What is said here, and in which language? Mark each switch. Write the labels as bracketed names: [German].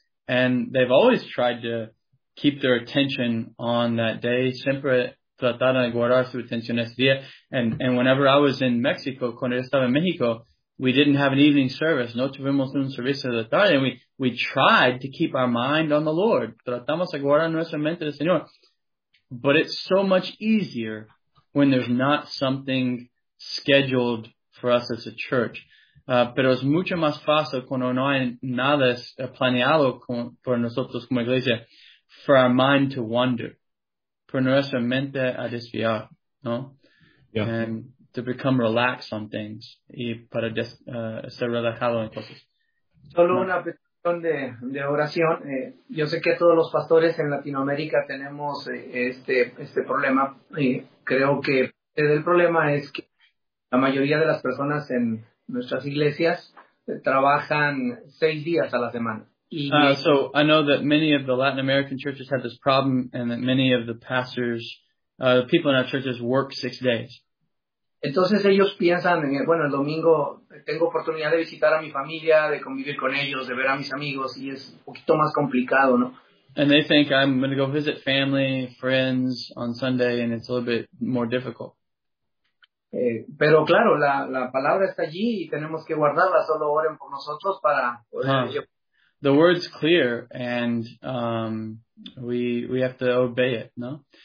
[English] And they've always tried to keep their attention on that day. [Spanish] Siempre trataron de guardar su atención ese día. [English] And whenever I was in Mexico, [Spanish] cuando yo estaba en México, [English] we didn't have an evening service. [Spanish] No tuvimos un servicio de tarde. [English] And we tried to keep our mind on the Lord. [Spanish] Tratamos de guardar nuestra mente del Señor. [English] But it's so much easier when there's not something scheduled for us as a church. [Spanish] Pero es mucho más fácil cuando no hay nada planeado por nosotros como iglesia. [English] for our mind to wander, for [Spanish] nuestra mente a desviar, ¿no? [English] Yeah. And to become relaxed on things [Spanish] y para ser relajado en cosas. Solo no. Una petición de oración. Yo sé que todos los pastores en Latinoamérica tenemos este problema. Creo que el problema es que la mayoría de las personas en nuestras iglesias trabajan 6 días a la semana. [English] So I know that many of the Latin American churches have this problem, and that many of the pastors, people in our churches work 6 days. [Spanish] Entonces ellos piensan, bueno, el domingo tengo oportunidad de visitar a mi familia, de convivir con ellos, de ver a mis amigos, y es un poquito más complicado, ¿no? [English] And they think I'm going to go visit family, friends on Sunday, and it's a little bit more difficult. [Spanish] Pero claro, la palabra está allí y tenemos que guardarla. Solo oren por nosotros para. [English] The word's clear, and we have to obey it, ¿no?